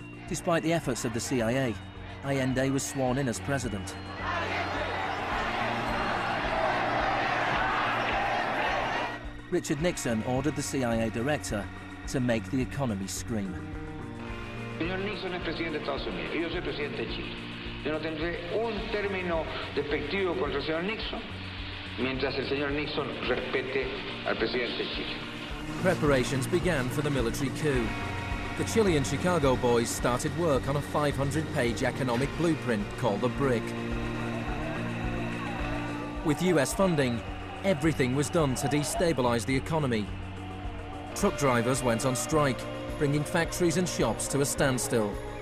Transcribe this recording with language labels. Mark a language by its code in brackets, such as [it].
[en] Despite the efforts of the CIA, Allende was sworn in as president. Richard Nixon ordered the CIA director to make the economy scream. [es] Señor Nixon es presidente de Estados Unidos, y yo soy presidente de Chile. Yo no tendré un término despectivo contra el señor Nixon mientras el señor Nixon respete al presidente de Chile. [en] Preparations began for the military coup. The Chilean Chicago boys started work on a 500-page economic blueprint called the BRIC. With US funding, everything was done to destabilize the economy. Truck drivers went on strike, bringing factories and shops to a standstill.